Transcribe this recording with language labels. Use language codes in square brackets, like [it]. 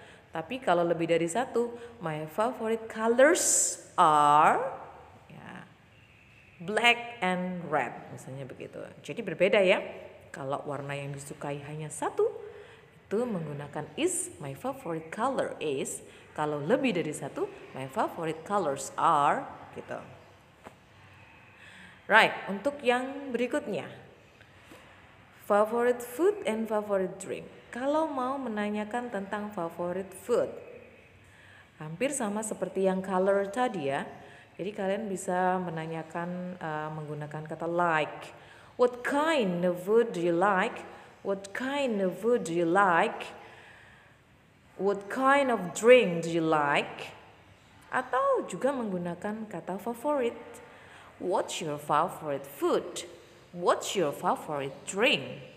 [id] Tapi kalau lebih dari satu, [en] my favorite colors are black and red, [id] misalnya begitu. Jadi berbeda ya. Kalau warna yang disukai hanya satu, itu menggunakan is, [en] my favorite color is. [id] Kalau lebih dari satu, [en] my favorite colors are, [id] gitu. Right, untuk yang berikutnya. [en] Favorite food and favorite drink. [id] Kalau mau menanyakan tentang favorite food, hampir sama seperti yang color tadi ya. Jadi kalian bisa menanyakan menggunakan kata like. [en] What kind of food do you like? What kind of food do you like? What kind of drink do you like? [id] Atau juga menggunakan kata favorite. [en] What's your favorite food? What's your favorite drink?